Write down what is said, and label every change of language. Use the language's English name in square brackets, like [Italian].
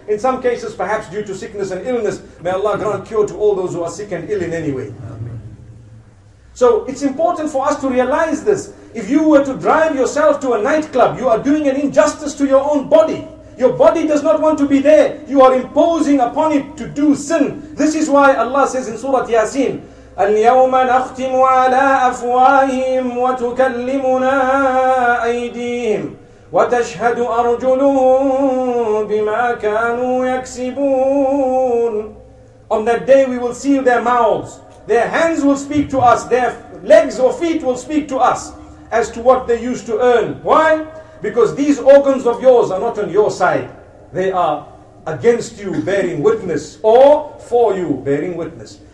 [English] In some cases, perhaps due to sickness and illness. May Allah grant cure to all those who are sick and ill in any way. Amen. So it's important for us to realize this. If you were to drive yourself to a nightclub, you are doing an injustice to your own body. Your body does not want to be there. You are imposing upon it to do sin. This is why Allah says in Surah Yasin, [Arabic] اليوم نختم على أفواههم وتكلمنا أيديهم وتشهد أرجلهم بما كانوا يكسبون. [English] On that day we will seal their mouths. Their hands will speak to us. Their legs or feet will speak to us as to what they used to earn. Why? Because these organs of yours are not on your side. They are against you bearing witness or for you bearing witness.